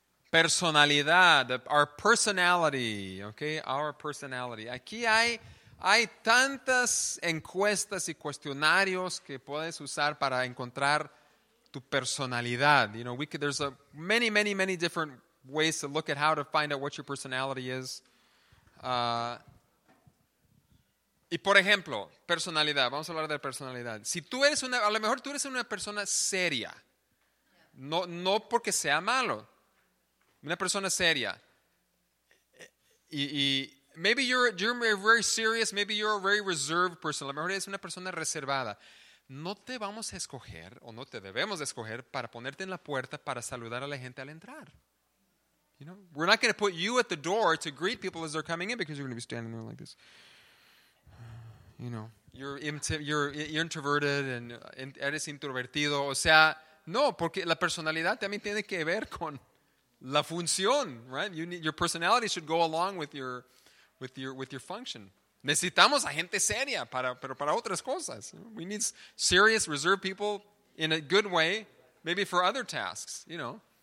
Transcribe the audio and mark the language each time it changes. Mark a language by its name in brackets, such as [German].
[English] Personalidad, our personality, okay, our personality. [Spanish] Aquí hay tantas encuestas y cuestionarios que puedes usar para encontrar tu personalidad. [English] You know, there's many, many, many different ways to look at how to find out what your personality is. [Spanish] Y por ejemplo, personalidad, vamos a hablar de personalidad. Si tú eres a lo mejor tú eres una persona seria, no porque sea malo. Una persona seria y [English] Maybe you're very serious. Maybe you're a very reserved person. [Spanish] A lo mejor eres una persona reservada. No te vamos a escoger o no te debemos de escoger para ponerte en la puerta para saludar a la gente al entrar. [English] You know, we're not going to put you at the door to greet people as they're coming in because you're going to be standing there like this. You know, you're introverted and [Spanish] eres introvertido. O sea, no, porque la personalidad también tiene que ver con la función, right? [English] Your personality should go along with your function. [Spanish] Necesitamos a gente seria para otras cosas. [English] We need serious, reserved people in a good way, maybe for other tasks, you know.